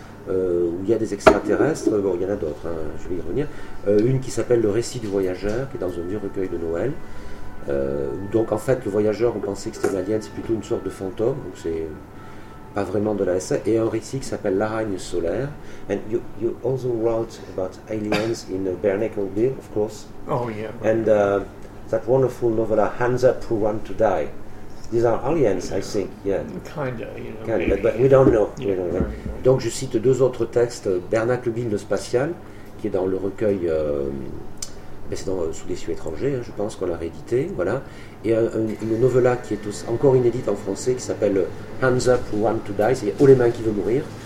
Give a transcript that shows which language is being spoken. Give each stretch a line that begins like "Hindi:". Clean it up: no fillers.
French: Où il y a des extraterrestres, bon, il y en a d'autres, hein, je vais y revenir, une qui s'appelle Le récit du voyageur, qui est dans un vieux recueil de Noël, donc en fait, le voyageur, on pensait que c'était un alien, c'est plutôt une sorte de fantôme, donc c'est pas vraiment de la SF, et un récit qui s'appelle L'Araigne solaire.
English: And you also wrote about aliens in a Barnacle Bill, of course. Oh, yeah. And that wonderful novel, Hands Up Who Want to Die. These are aliens, yeah. I think, yeah. Kinda, you know. Kinda, but we don't know. Yeah, you know, right.
French: Donc je cite deux autres textes, Bernacle Bill, le spatial, qui est dans le recueil, c'est dans Sous des cieux étrangers, hein, je pense qu'on l'a réédité, voilà. Et une novella qui est aussi, encore inédite en français, qui s'appelle Hands Up, Want to Die, c'est Haut les mains qui veut mourir.